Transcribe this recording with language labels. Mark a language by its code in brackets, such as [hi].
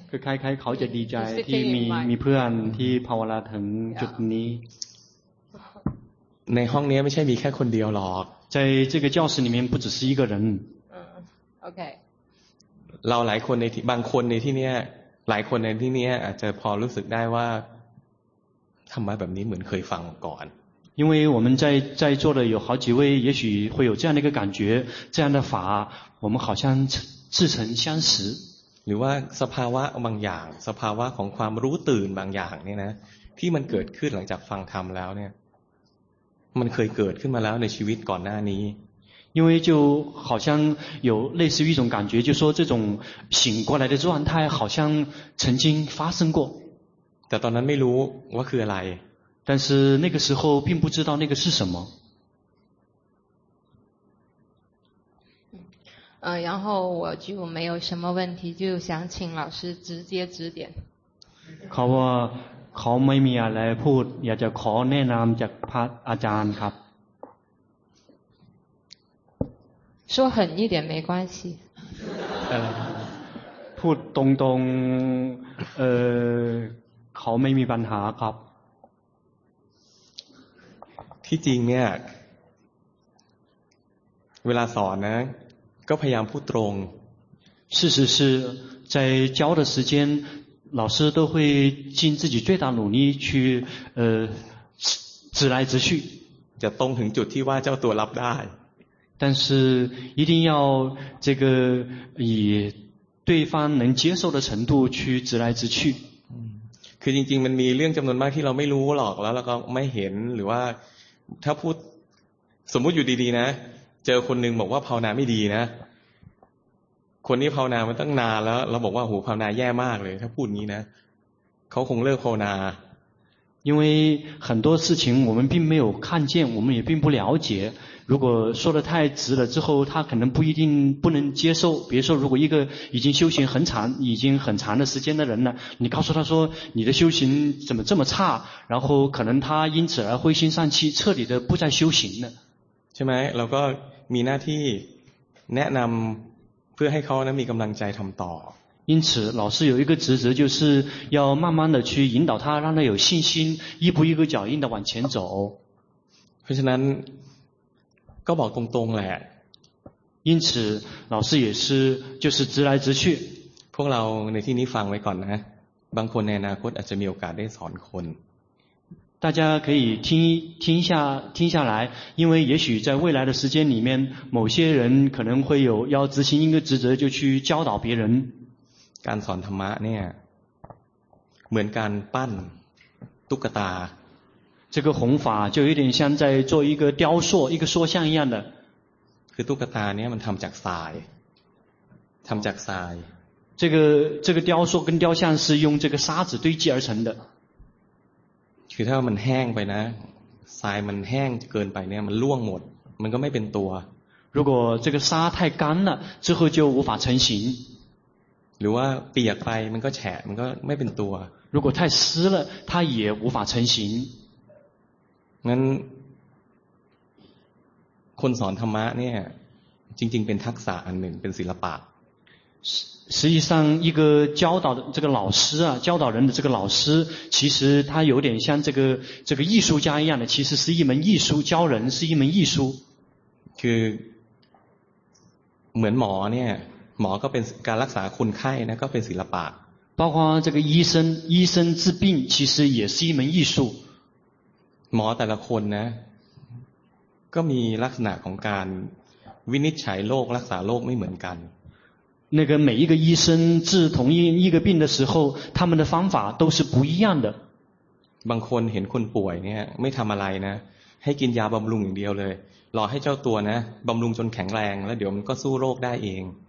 [th] คือคล้ายๆเขาจะดีใจที่มีเพื่อนที่ภาวนาถึงจุดนี้ในห้องนี้ไม่ใช่มีแค่คนเดียวหรอก [zh] ใน这个教室里面不只是一个人 [en] okay [th] เราหลายคนในบางคนในที่นี้หลายคนในที่นี้อาจจะพอรู้สึกได้ว่าทำมาแบบนี้เหมือนเคยฟังก่อน [zh] 因为我们在座的有好几位也许会有这样的一个感觉这样的法我们好像似曾相识 [th] หรือว่าสภาวะบางอย่างสภาวะของความรู้ตื่นบางอย่างเนี่ยนะที่มันเกิดขึ้นหลังจากฟังธรรมแล้วเนี่ยมันเคยเกิดขึ้นมาแล้วในชีวิตก่อนหน้านี้ [zh] 因为就好像有类似于一种感觉就说这种醒过来的状态好像曾经发生过 [th] แต่ตอนนั้นไม่รู้ว่าคืออะไร [zh] 但是那个时候并不知道那个是什么然后我就没有什么问题就想请老师直接指点 [th] เขาว่าเขาไม่มีอะไรพูดอยากจะขอแนะนำจากพระอาจารย์ครับ [zh] 说狠一点没关系 [th] พูดตรงๆเขาไม่มีปัญหาครับ ที่จริงเนี่ยเวลาสอนนะก็พยายามพูดตรง [zh] 事实是在教的时间老师都会尽自己最大努力去直来直去 [th] จะตรงถึงจุดที่ว่าเจ้าตัวรับได้ [zh] 但是一定要这个以对方能接受的程度去直来直去 [th] คือจริงๆมันมีเรื่องจำนวนมากที่เราไม่รู้หรอกแล้วเราก็ไม่เห็นหรือว่าถ้าพูดสมมุติอยู่ดีๆนะเจอคนหนึ่งบอกว่าภาวนาไม่ดีนะคนนี้ภาวนามันตั้งนานแล้วเราบอกว่าโอ้ภาวนาแย่มากเลยถ้าพูดงี้นะเขาคงเลิกภาวนา [zh] 因为很多事情我们并没有看见我们也并不了解如果说的太直了之后他可能不一定不能接受比如说如果一个已经修行很长已经很长的时间的人呢你告诉他说你的修行怎么这么差然后可能他因此而灰心丧气彻底的不再修行了 [th] ใช่ไหมเราก็มีหน้าที่แนะนำเพื่อให้เขานั้นมีกำลังใจทำต่อ [zh] 因此老师有一个职责就是要慢慢的去引导他让他有信心一步一个脚印的往前走 [th] เพราะฉะนั้นก็บอกตรงๆแหละ [zh] 因此老师也是就是直来直去 [th] พวกเราในที่นี้ฟังไว้ก่อนนะบางคนในอนาคตอาจจะมีโอกาสได้สอนคน [zh] 大家可以听下来因为也许在未来的时间里面某些人可能会有要执行一个职责就去教导别人 [th] การสอนธรรมะเนี่ยเหมือนการปั้นตุ๊กตา [zh] 这个弘法就有点像在做一个雕塑一个塑像一样的 [th] คือตุ๊กตาเนี่ยมันทำจากทรายทำจากทราย [zh] 这个雕塑跟雕像是用这个沙子堆积而成的。 [th] คือถ้ามันแห้งไปนะทรายมันแห้งเกินไปเนี่ยมันร่วงหมดมันก็ไม่เป็นตัว [zh] 如果这个沙太干了之后就无法成形 [th] หรือว่าเปียกไปมันก็แฉะมันก็ไม่เป็นตัว [zh] 如果太湿了它也无法成形 [th] งั้นคนสอนธรรมะเนี่ยจริงๆเป็นทักษะอันหนึ่งเป็นศิลปะ [zh] 实际上一个教导的这个老师啊教导人的这个老师其实他有点像这个艺术家一样的其实是一门艺术教人是一门艺术 [th] คือเหมือนหมอเนี่ยหมอก็เป็นการรักษาคนไข้นะก็เป็นศิลปะ [zh] 包括这个医生治病其实也是一门艺术 [th] หมอแต่ละคนนะก็มีลักษณะของการวินิจฉัยโรครักษาโรคไม่เหมือนกัน [zh] 那个每一个医生治同一一个病的时候，他们的方法都是不一样的。 [th] บางคนเห็นคนป่วยเนี่ยไม่ทำอะไรนะให้กินยาบำรุงอย่างเดียวเลยรอให้เจ้าตัวนะบำรุงจนแข็งแรงแล้วเดี๋ยวมันก็สู้โรคได้เอง